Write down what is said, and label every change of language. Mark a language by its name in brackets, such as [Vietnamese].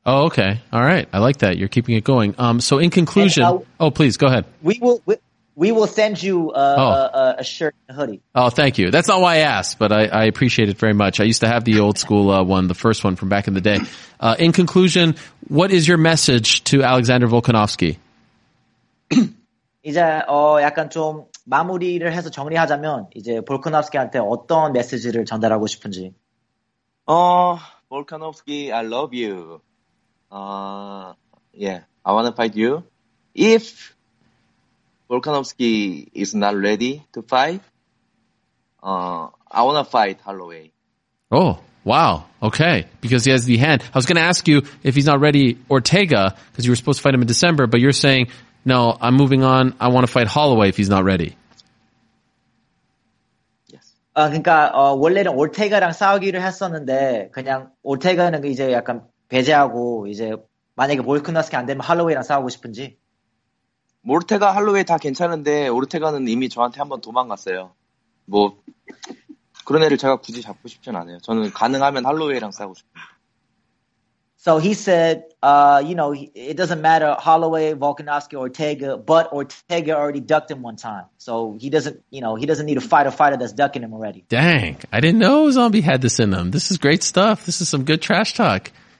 [English] Oh, okay. All right. I like that. You're keeping it going. So in conclusion, please go ahead. We will send you a shirt and a hoodie. Oh, thank you. That's not why I asked, but I appreciate it very much. I used to have the old school one, the first one from back in the day. In conclusion, what is your message to Alexander Volkanovsky? [Korean] 이제 약간 좀 마무리를 해서 정리하자면 이제 볼코노프스키한테 어떤 메시지를 전달하고 싶은지. [English] Volkanovsky, I love you. Yeah, I want to fight you. If Volkanovski is not ready to fight. I want to fight Holloway. Oh, wow. Okay. Because he has the hand. I was going to ask you if he's not ready, Ortega, because you were supposed to fight him in December, but you're saying, no, I'm moving on. I want to fight Holloway if he's not ready. Yes. [Korean] 그러니까, 원래는 Ortega랑 싸우기를 했었는데, 그냥 Ortega는 이제 약간 배제하고, 이제 만약에 Volkanovski 안 되면 Holloway랑 싸우고 싶은지. 오르테가, 할로웨이 다 괜찮은데 오르테가는 이미 저한테 한번 도망갔어요. 뭐 그런 애를 제가 굳이 잡고 싶진 않아요. 저는 가능하면 할로웨이랑 싸우고 싶어요. [English] So he said, you know, it doesn't matter Holloway, Volkanovski, Ortega, but Ortega already ducked him one time. So he doesn't, you know, he doesn't need to fight a fighter that's ducking him already. Dang, I didn't know Zombie had this in him. This is great stuff. This is some good trash talk.